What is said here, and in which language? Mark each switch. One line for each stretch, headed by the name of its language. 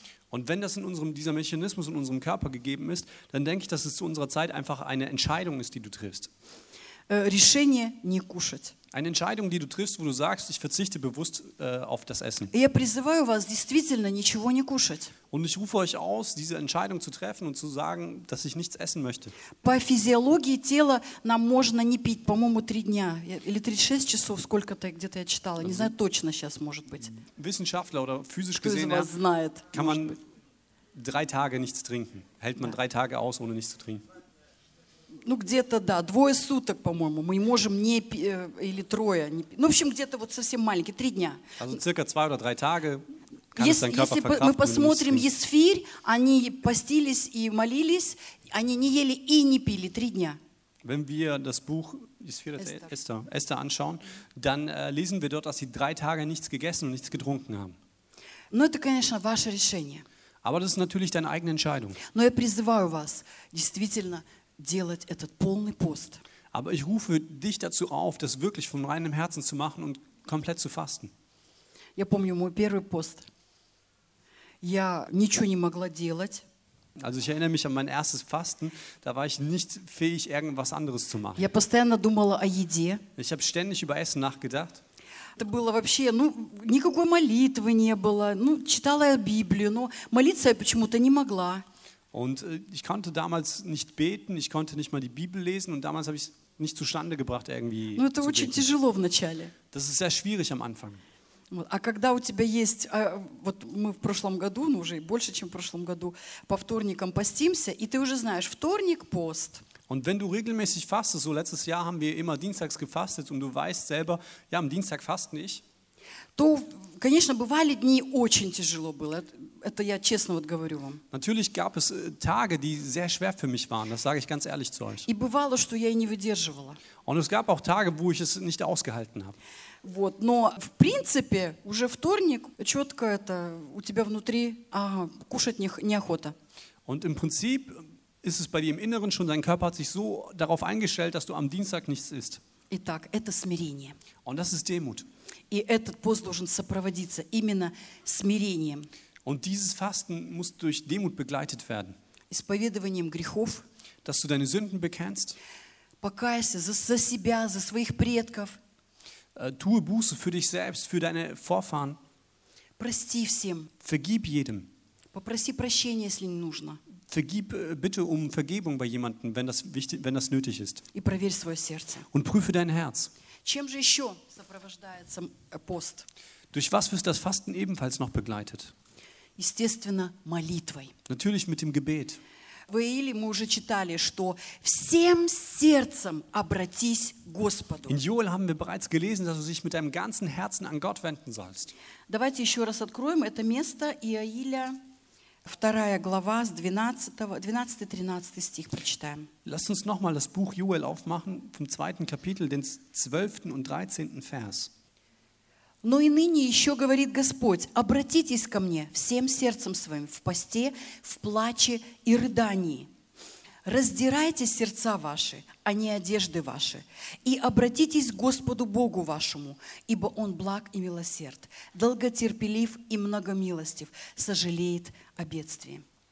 German: Und wenn das in unserem dieser Mechanismus in unserem Körper gegeben ist, dann denke ich, dass es zu unserer Zeit einfach eine Entscheidung ist, die du triffst.
Russian: Решение не кушать.
German: Eine Entscheidung, die du triffst, wo du sagst, ich verzichte bewusst auf das Essen.
Russian: Я призываю вас действительно ничего не кушать.
German: Und ich rufe euch aus, diese Entscheidung zu treffen und zu sagen, dass ich nichts essen möchte.
Russian: По физиологии тела нам можно не пить, по-моему, 3 дня или 36 часов, сколько-то где-то я читала, не знаю точно сейчас, может быть.
German: Wissenschaftler oder physisch gesehen,
Russian: знает,
German: kann man 3 Tage nichts trinken. Hält man 3 Tage aus, ohne nichts zu trinken?
Russian: Ну, где-то, да, двое суток, по-моему, мы можем не пить, или трое. Не, ну, в общем, где-то вот совсем маленькие, 3 дня.
German: Also, circa 2 oder 3 Tage kann es dein Körper verkraften.
Russian: Если мы посмотрим Есфирь, они постились и молились, они не ели и не пили 3 дня.
German: Wenn wir das Buch Есфирь, Эстер anschauen, dann lesen wir dort, dass sie 3 Tage nichts gegessen und nichts getrunken haben.
Russian: Ну, это, конечно, ваше решение.
German: Aber das ist natürlich deine eigene Entscheidung.
Russian: Но я призываю вас, действительно, делать этот полный пост.
German: Aber ich rufe dich dazu auf, das wirklich von reinem Herzen zu machen und komplett zu fasten.
Russian: Я помню мой первый пост. Я ничего не могла делать.
German: Also ich erinnere mich an mein erstes Fasten, da war ich nicht fähig, irgendwas anderes zu machen.
Russian: Я постоянно думала о еде.
German: Ich habe ständig über Essen nachgedacht.
Russian: Это было вообще, ну, никакой молитвы не было. Ну, читала я Библию, но молиться я почему-то не могла.
German: Und ich konnte damals nicht beten, ich konnte nicht mal die Bibel lesen und damals habe ich es nicht zustande gebracht irgendwie.
Russian: Ну, это очень тяжело вначале.
German: Das ist sehr schwierig am Anfang.
Russian: А когда у тебя есть, вот мы в прошлом году, ну уже больше, чем в прошлом году, по вторникам постимся, и ты уже знаешь, вторник пост.
German: Und wenn du regelmäßig fastest, so letztes Jahr haben wir immer dienstags gefastet und du weißt selber, ja, am Dienstag fasten ich.
Russian: То, конечно, бывали дни очень тяжело было. Это я честно вот говорю вам.
German: Natürlich gab es Tage, die sehr schwer für mich waren. Das sage ich ganz ehrlich zu euch.
Russian: И бывало, что я и не выдерживала.
German: Und es gab auch Tage, wo ich es nicht ausgehalten habe.
Russian: Вот, но в принципе уже вторник четко это у тебя внутри, ага, кушать неохота.
German: Und im Prinzip ist es bei dir im Inneren schon. Dein Körper hat sich so darauf eingestellt, dass du am Dienstag nichts isst.
Russian: Итак, это смирение.
German: Und das ist Demut.
Russian: И этот пост должен сопроводиться именно смирением.
German: Und dieses Fasten muss durch Demut begleitet werden.
Russian: Исповедованием грехов.
German: Dass du deine Sünden bekennst.
Russian: Покайся за себя, за своих предков.
German: Tue Buße für dich selbst, für deine Vorfahren.
Russian: Прости всем.
German: Vergib jedem.
Russian: Попроси прощения, если не нужно.
German: Vergib bitte um Vergebung bei jemandem, wenn das wichtig, wenn das nötig ist.
Russian: И проверь свое сердце.
German: Und prüfe dein Herz.
Russian: Чем же еще сопровождается пост?
German: Durch was wird das Fasten ebenfalls noch begleitet?
Russian: Естественно, молитвой.
German: Natürlich mit dem Gebet.
Russian: В Иоиле мы уже читали, что всем сердцем обратись к Господу.
German: In Joel haben wir bereits gelesen, dass du dich mit deinem ganzen Herzen an Gott wenden sollst.
Russian: Давайте еще раз откроем это место Иоиля, 2 глава, с 12-13 стих прочитаем.
German: Lass uns nochmal das Buch Joel aufmachen, vom 2. Kapitel, den 12. und 13. Vers.
Russian: Но и ныне еще говорит Господь, обратитесь ко мне всем сердцем своим в посте, в плаче и рыдании. Раздирайте сердца ваши, а не одежды ваши, и обратитесь к Господу Богу вашему, ибо Он благ и милосерд, долготерпелив и многомилостив, сожалеет о бедствии.